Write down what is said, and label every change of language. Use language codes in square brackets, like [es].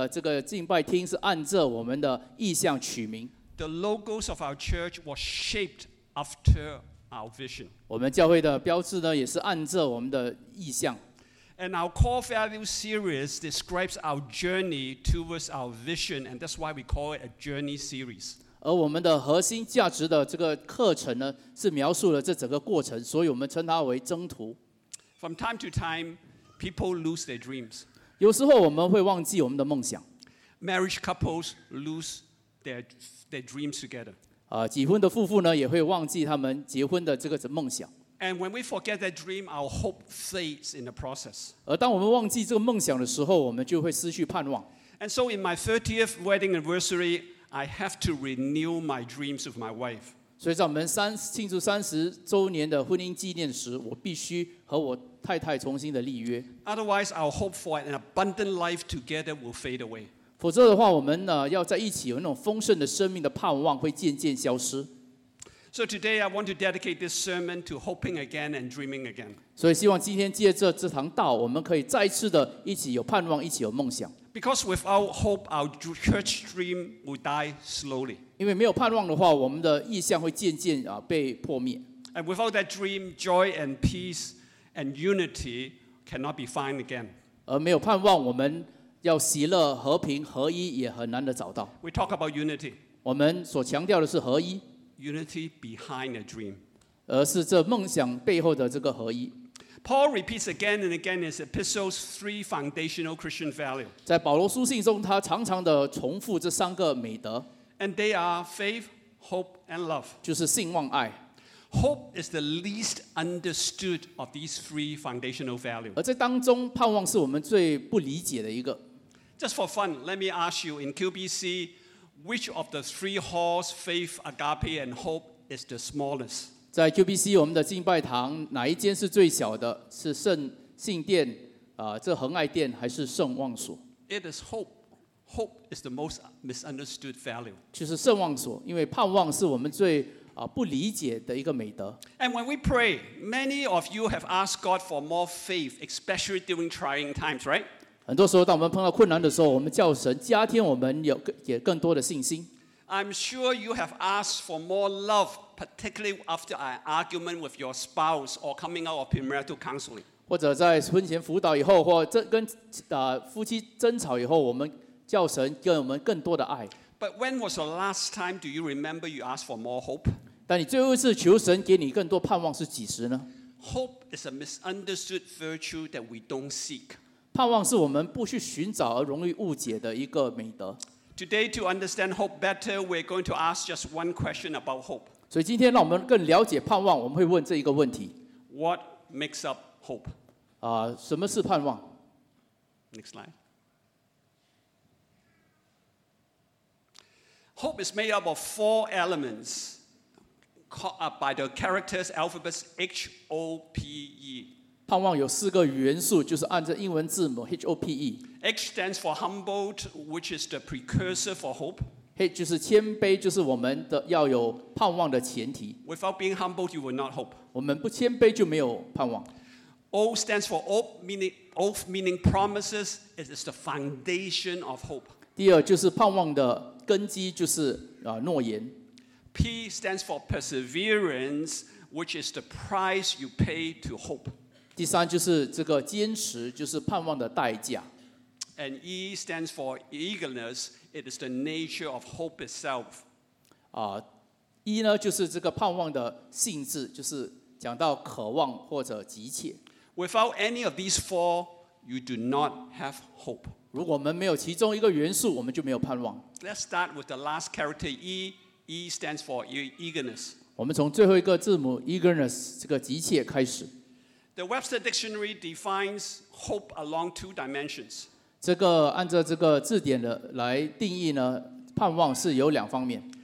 [zh] 我们比较新的会友或许不知道我们三个的这个敬拜厅是按着我们的意向取名。 [en] The logos of our church was shaped after our vision. [zh] 我们教会的标志呢也是按着我们的意向。 [en] And our core value series describes our journey towards our vision, and that's why we call it a journey series. [zh] 而我们的核心价值的这个课程呢，是描述了这整个过程，所以我们称它为征途。 [en] From time to time, people lose their dreams. [zh] 有时候我们会忘记我们的梦想。 [en] Marriage couples lose their dreams together. [zh] 结婚的夫妇呢，也会忘记他们结婚的这个梦想。 [en] And when we forget that dream, our hope fades in the process. [zh] 而当我们忘记这个梦想的时候，我们就会失去盼望。 [en] And so in my 30th wedding anniversary, I have to renew my dreams with my wife. [zh] 所以在我们庆祝30周年的婚姻纪念时，我必须和我太太重新的立约。 [en] Otherwise, our hope for an abundant life together will fade away. [zh] 否则的话，我们要在一起有那种丰盛的生命的盼望会渐渐消失。 [en] So today I want to dedicate this sermon to hoping again and dreaming again. [zh] 所以希望今天借着这堂道，我们可以再次的一起有盼望，一起有梦想。 [en] Because without hope, our church dream will die slowly. [zh] 因为没有盼望的话，我们的意向会渐渐被破灭。 [en] And without that dream, joy and peace and unity cannot be found again. [zh] 而没有盼望，我们要喜乐、和平、合一也很难的找到。 [en] We talk about unity. [zh] 我们所强调的是合一。 [en] Unity behind a dream. [zh] 而是这梦想背后的这个合一。 [en] Paul repeats again and again his epistles three foundational Christian values. [zh] 在保罗书信中他常常的重复这三个美德。 [en] And they are faith, hope, and love. [zh] 就是信望爱。 [en] Hope is the least understood of these three foundational values. [zh] 而在当中盼望是我们最不理解的一个。 [en] Just for fun, let me ask you, in QBC,Which of the three halls, faith, agape, and hope, is the smallest? [zh] 在 QBC 我们的敬拜堂，哪一间是最小的？是圣信殿，这恒爱殿，还是圣望所？ [en] It is hope. Hope is the most misunderstood value. [zh] 就是圣望所，因为盼望是我们最不理解的一个美德。 [en] And when we pray, many of you have asked God for more faith, especially during trying times, right? [zh] 很多时候当我们碰到困难的时候我们叫神加添我们有更多的信心。 [en] I'm sure you have asked for more love, particularly after an argument with your spouse or coming out of premarital counseling. [zh] 或者在婚前辅导以后或跟夫妻争吵以后我们叫神给我们更多的爱。 [en] But when was the last time do you remember you asked for more hope? [zh] 但你最后一次求神给你更多盼望是几时呢？ [en] Hope is a misunderstood virtue that we don't seek. [zh] 盼望是我们不去寻找而容易误解的一个美德。 [en] Today, to understand hope better, we're going to ask just one question about hope. [zh] 所以今天让我们更了解盼望，我们会问这一个问题。 [en] What makes up hope? [zh] 什么是盼望？ [en] Next slide. Hope is made up of four elements, called up by the characters alphabets H O P E. [zh] 盼望有四个元素，就是按照英文字母 H-O-P-E。 [en] H stands for humbled, which is the precursor for hope. [zh] H 就是谦卑，就是我们的要有盼望的前提。 [en] Without being humbled, you will not hope. [zh] 我们不谦卑就没有盼望。 [en] O stands for oath, meaning promises. It is the foundation of hope. [zh] 第二就是盼望的根基，就是诺言。 [en] P stands for perseverance, which is the price you pay to hope. [zh] 第三就是这个坚持，就是盼望的代价。 [en] And E stands for eagerness. It is the nature of hope itself. [zh] E 呢就是这个盼望的性质，就是讲到渴望或者急切。 [en] Without any of these four, you do not have hope. [zh] 如果我们没有其中一个元素，我们就没有盼望。 [en] Let's start with the last character E. E stands for eagerness. [zh] 我们从最后一个字母 eagerness 这个急切开始。 [en] The Webster Dictionary defines hope along two dimensions. [zh] 这个按照这个字典的来定义呢，盼望是有两方面。